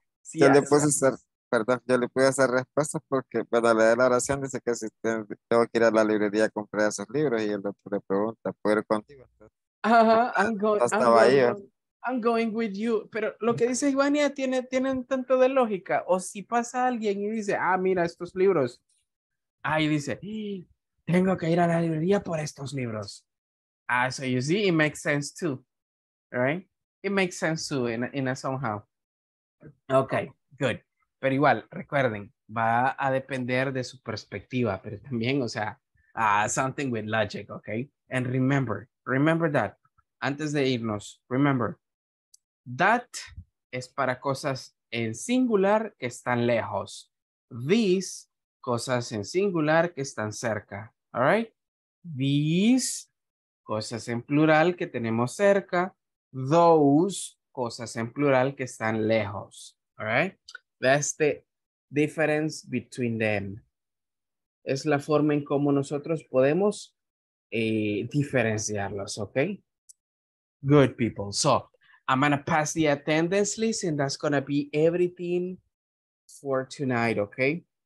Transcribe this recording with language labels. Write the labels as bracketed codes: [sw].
[es] Sí, yo le puedo hacer, perdón, yo le puedo hacer respuestas porque cuando le da la oración dice que si tengo que ir a la librería a comprar esos libros y el doctor le pregunta, ¿puedo ir contigo? [en] I'm going with you. [es] Pero lo que dice Ivania tiene un tanto de lógica. O si pasa alguien y dice, ah, mira estos libros. Ahí dice, tengo que ir a la librería por estos libros. [en] Ah, so you see, it makes sense too. Right? It makes sense too in a somehow. Okay, good. [es] Pero igual, recuerden, va a depender de su perspectiva, pero también, o sea, [en] something with logic, [es] okay? [en] And remember that. [es] Antes de irnos, [en] remember, [es] that es para cosas en singular que están lejos. These, cosas en singular que están cerca, all right? These, cosas en plural que tenemos cerca. Those, cosas en plural que están lejos, all right? [en] That's the difference between them. [es] Es la forma en cómo nosotros podemos diferenciarlos, okay? [en] Good people. So, I'm gonna pass the attendance list and that's gonna be everything for tonight, okay?